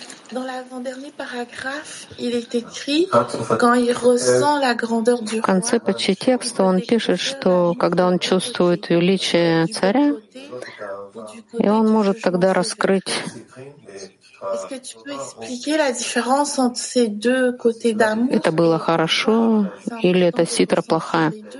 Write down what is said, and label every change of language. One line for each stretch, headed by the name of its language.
French: Dans l'avant-dernier paragraphe, il est écrit quand il ressent la grandeur du roi.
Russian: В конце почти текста он пишет, что когда он чувствует величие царя, и он может тогда раскрыть.
French: Est-ce que tu peux expliquer la différence entre ces deux côtés d'amour?
Russian: Это было хорошо или это ситра плохая?